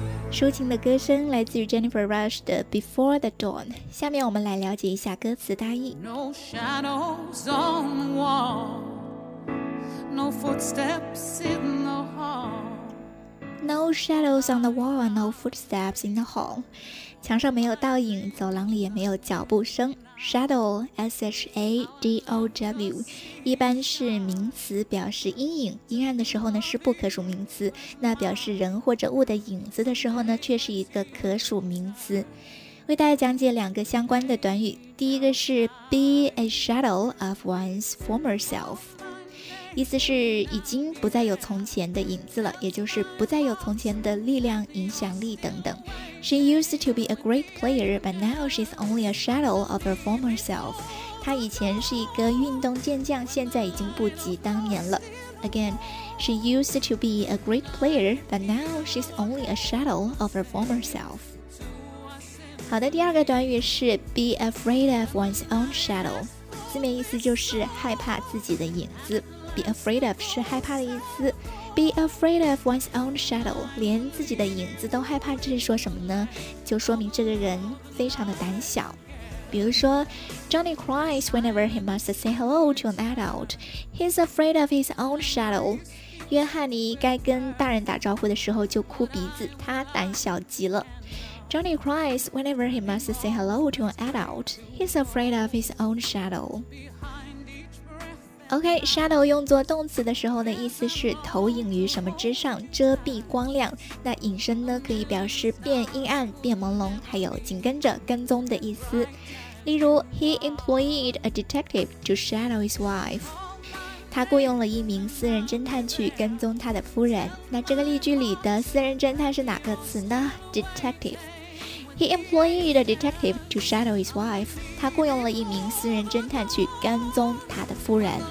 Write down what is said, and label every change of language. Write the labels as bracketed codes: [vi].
[zh] 抒情的歌声来自于 Jennifer Rush 的 Before the Dawn。下面我们来了解一下歌词大意。 [en] No shadows on the wall, No footsteps in the hall, No shadows on the wall, No footsteps in the hall, [zh] 墙上没有倒影，走廊里也没有脚步声。 Shadow, S-H-A-D-O-W, 一般是名词，表示阴影。阴暗的时候呢是不可数名词，那表示人或者物的影子的时候呢却是一个可数名词。为大家讲解两个相关的短语，第一个是 [en] Be a shadow of one's former self， [zh] 意思是已经不再有从前的影子了，也就是不再有从前的力量、影响力等等。 [en] She used to be a great player, but now she's only a shadow of her former self. [zh] 她以前是一个运动健将，现在已经不及当年了。 [en] Again, she used to be a great player, but now she's only a shadow of her former self. [zh] 好的，第二个短语是 [en] be afraid of one's own shadow， [zh] 字面意思就是害怕自己的影子。 Be afraid of 是害怕的意思。 [en] Be afraid of one's own shadow， [zh] 连自己的影子都害怕，这是说什么呢？就说明这个人非常的胆小。比如说 [en] ，Johnny cries whenever he must say hello to an adult. He's afraid of his own shadow. [zh] 约翰尼该跟大人打招呼的时候就哭鼻子，他胆小极了。 [en] Johnny cries whenever he must say hello to an adult. He's afraid of his own shadow. [zh] OK, shadow 用作动词的时候呢，意思是投影于什么之上，遮蔽光亮。那隐身呢，可以表示变阴暗、变朦胧，还有紧跟着、跟踪的意思。例如 [en] ,He employed a detective to shadow his wife. [zh] 他雇佣了一名私人侦探去跟踪他的夫人。那这个例句里的私人侦探是哪个词呢？ [en] Detective. He employed a detective to shadow his wife. [zh] 他雇佣了一名私人侦探去跟踪他的夫人。